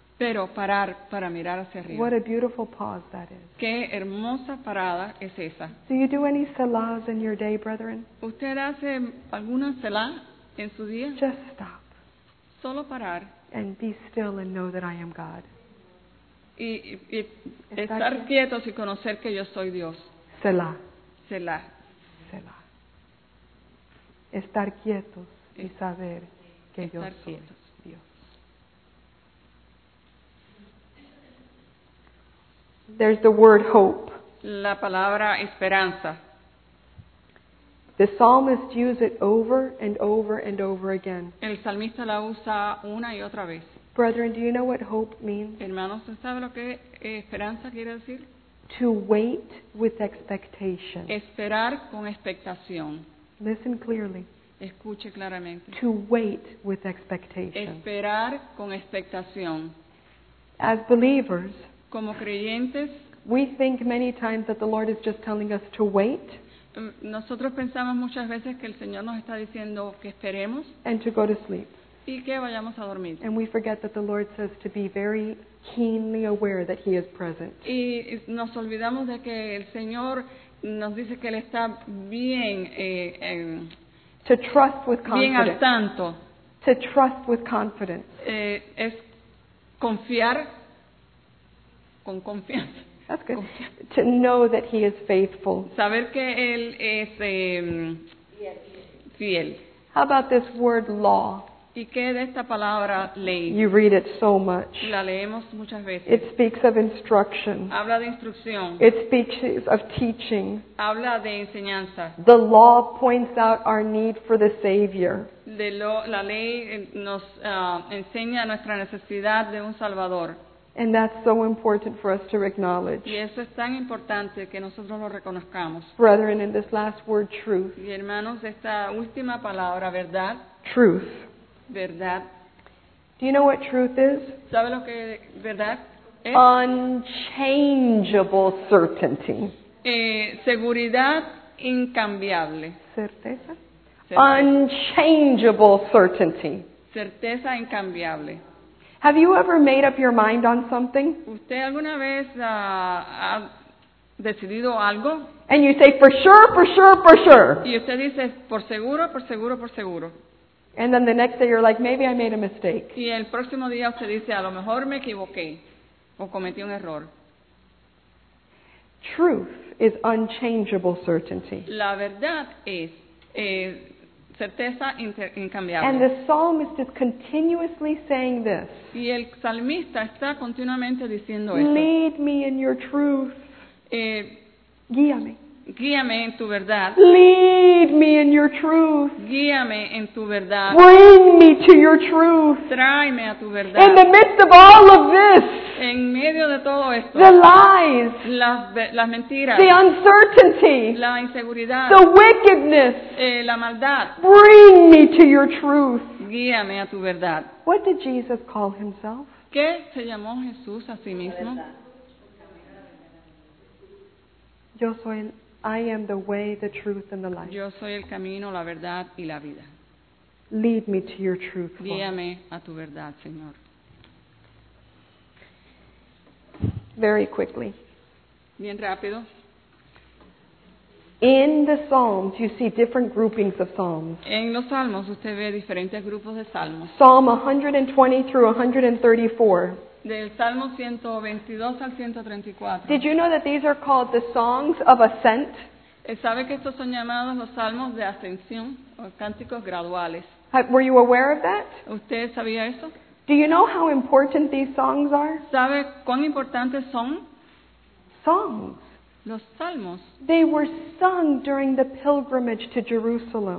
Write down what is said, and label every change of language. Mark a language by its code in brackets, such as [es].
[es] Pero parar para mirar hacia arriba. [en] What a beautiful pause that is. [es] Qué hermosa parada es esa. [en] Do you do any salahs in your day, brethren? [es] ¿Usted hace alguna salah en su día? [en] Just stop. [es] Solo parar. [en] And be still and know that I am God. [es] Y estar quietos y conocer que yo soy Dios. [en] Selah. [es] Selah. Selah. Estar quietos y saber que yo soy quietos. Dios. [en] There's the word hope. [es] La palabra esperanza. [en] The psalmist uses it over and over and over again. [es] El salmista la usa una y otra vez. [en] Brethren, do you know what hope means? [es] Hermanos, ¿saben lo que esperanza quiere decir? [en] To wait with expectation. [es] Esperar con expectación. [en] Listen clearly. [es] Escuche claramente. [en] To wait with expectation. [es] Esperar con expectación. [en] As believers, [es] como creyentes, [en] we think many times that the Lord is just telling us to wait. [es] Nosotros pensamos muchas veces que el Señor nos está diciendo que esperemos. [en] And to go to sleep. [es] Y que vayamos a dormir. [en] And we forget that the Lord says to be very keenly aware that He is present. [es] Y nos olvidamos de que el Señor nos dice que Él está bien. [en] To trust with confidence. [es] Bien al tanto. [en] To trust with confidence. [es] Es confiar con confianza. [en] That's good. To know that He is faithful. [es] Saber que Él es fiel. [en] How about this word law? [es] ¿Y qué de esta palabra ley? [en] You read it so much. [es] La leemos muchas veces. [en] It speaks of instruction. [es] Habla de instrucción. [en] It speaks of teaching. [es] Habla de enseñanza. [en] The law points out our need for the Savior. [es] La ley nos enseña nuestra necesidad de un Salvador. [en] And that's so important for us to acknowledge. [es] Y eso es tan importante que nosotros lo reconozcamos. [en] Brethren, in this last word, truth. [es] Y hermanos, esta última palabra, verdad. [en] Truth. [es] Verdad. [en] Do you know what truth is? [es] ¿Sabe lo que verdad es? [en] Unchangeable certainty. [es] Seguridad incambiable. [en] Certeza. Unchangeable certainty. [es] Certeza incambiable. [en] Have you ever made up your mind on something? [es] ¿Usted alguna vez ha decidido algo? [en] And you say for sure, for sure, for sure. [es] Y usted dice por seguro, por seguro, por seguro. [en] And then the next day you're like, maybe I made a mistake. [es] Y el próximo día usted dice, a lo mejor me equivoqué o cometí un error. [en] Truth is unchangeable certainty. [es] La verdad es certeza incambiable. [en] And the psalmist is continuously saying this. [es] Y el salmista está continuamente diciendo [en] esto. Lead me in your truth. Guíame. [es] Guíame en tu verdad. [en] Lead me in your truth. [es] Guíame en tu verdad. [en] Bring me to your truth. [es] Tráeme a tu verdad. [en] In the midst of all of this. [es] En medio de todo esto. [en] The lies. [es] Las mentiras. [en] The uncertainty. [es] La inseguridad. [en] The wickedness. [es] La maldad. [en] Bring me to your truth. [es] Guíame a tu verdad. [en] What did Jesus call himself? [es] ¿Qué se llamó Jesús a sí mismo? Yo soy [en] I am the way, the truth, and the life. [es] Yo soy el camino, la verdad y la vida. [en] Lead me to your truth. [es] Guíame a tu verdad, Señor. [en] Very quickly. [es] Bien rápido. [en] In the Psalms, you see different groupings of Psalms. [es] En los Salmos usted ve diferentes grupos de Salmos. [en] Psalm 120 through 134. [es] Del Salmo 122 al 134. [en] Did you know that these are called the songs of ascent? [es] ¿Sabe que estos son llamados los salmos de ascensión o cánticos graduales? [en] Were you aware of that? [es] ¿Usted sabía eso? [en] Do you know how important these songs are? [es] ¿Sabe cuán importantes son? [en] Songs. [es] Los salmos. [en] They were sung during the pilgrimage to Jerusalem.